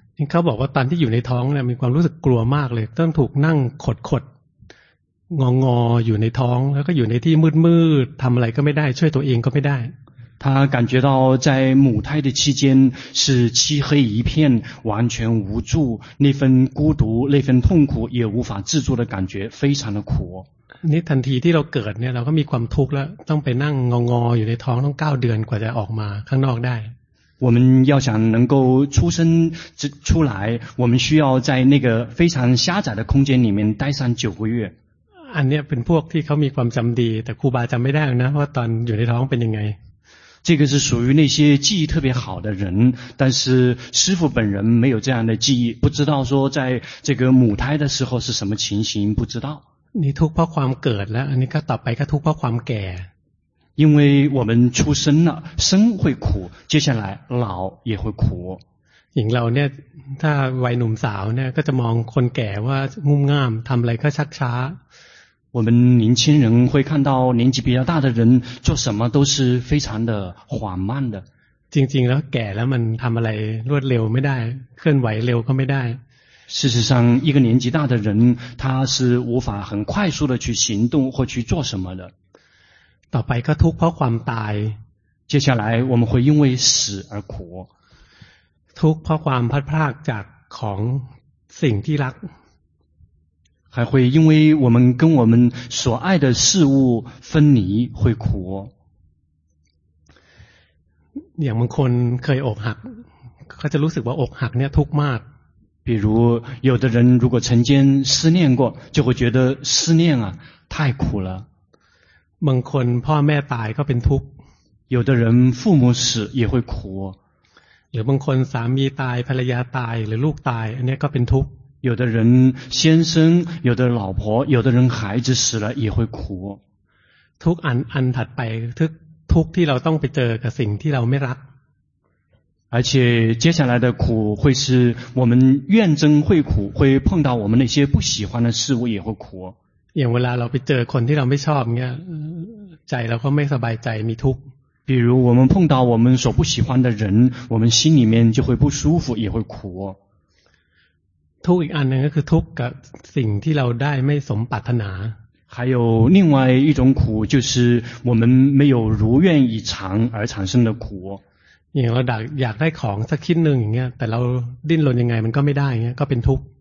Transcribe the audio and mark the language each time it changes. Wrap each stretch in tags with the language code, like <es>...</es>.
<th>เขาบอกว่าตอนที่อยู่ในท้องเนี่ยมีความรู้สึกกลัวมากเลยต้องถูกนั่งขดขดงองออยู่ในท้องแล้วก็อยู่ในที่มืดมืดทำอะไรก็ไม่ได้ช่วยตัวเองก็ไม่ได้</th> <zh>他感觉到在母胎的期间是漆黑一片，完全无助，那份孤独，那份痛苦也无法自助的感觉，非常的苦。那</zh> <th>ทันทีที่เราเกิดเนี่ยเราก็มีความทุกข์แล้วต้องไปนั่งงองออยู่ในท้องต้อง9เดือนกว่าจะออกมาข้างนอกได้</th> <zh>我们要想能够出生出来我们需要在那个非常狭窄的空间里面待上九个月。</zh> <th>อันเนี้ยเป็นพวกที่เขามีความจำดีแต่ครูบาจำไม่ได้นะว่าตอนอยู่ในท้องเป็นยังไง</th> <zh>这个是属于那些记忆特别好的人，但是师父本人没有这样的记忆，不知道说在这个母胎的时候是什么情形，不知道。你</zh> <th>ทุกข์เพราะความเกิดแล้ว你ก็ต่อไปก็ทุกข์เพราะความแก่。</th> <zh>因为我们出生了，生会苦，接下来老也会苦。</zh> <th>อย่างเราเนี่ยถ้าวัยหนุ่มสาวเนี่ยก็จะมองคนแก่ว่างุ่มง่ามทำอะไรก็ชักช้า。</th> <zh>我们年轻人会看到年纪比较大的人做什么都是非常的缓慢的。</zh> <th>จริงๆแล้วแก่แล้วมันทำอะไรรวดเร็วไม่ได้เคลื่อนไหวเร็วก็ไม่ได้。</th> <zh>事实上，一个年纪大的人，他是无法很快速的去行动或去做什么的。</zh> <th>ต่อไปก็ทุกข์เพราะความตาย。</th> <zh>接下来我们会因为死而苦。</zh> <th>ทุกข์เพราะความพัดพรากจากของสิ่งที่รัก。</th> <zh>还会因为我们跟我们所爱的事物分离会苦。</zh> <th>อย่างบางคนเคยอกหักเขาจะรู้สึกว่าอกหักเนี่ยทุกข์มาก</th> <zh>比如有的人如果曾经失恋过就会觉得失恋啊太苦了</zh> <th>บางคนพ่อแม่ตายก็เป็นทุกข์</th> <zh>有的人父母死也会苦</zh> <th>หรือบางคนสามีตายภรรยาตายหรือลูกตายอันนี้ก็เป็นทุกข์</th> <zh>有的人先生有的老婆有的人孩子死了也会苦</zh> <th>ทุกอันอันถัดไปทุกที่เราต้องไปเจอกับสิ่งที่เราไม่รัก</th> <zh>而且接下来的苦会是我们怨憎会苦会碰到我们那些不喜欢的事物也会苦</zh> <th>อย่างเวลาเราไปเจอคนที่เราไม่ชอบเนี่ยใจเราก็ไม่สบายใจมีทุก</th> <zh>比如我们碰到我们所不喜欢的人我们心里面就会不舒服也会苦</zh> <th>ทุกอีกอันนึงก็คือทุกกับสิ่งที่เราได้ไม่สมปรารถนา</th> <zh>还有另外一种苦就是我们没有如愿以偿而产生的苦</zh> <th>อย่างเราอยากได้ของสักชิ้นหนึ่งอย่างเงี้ยแต่เราดิ้นรนยังไงมันก็ไม่ได้เงี้ยก็เป็นทุก</th>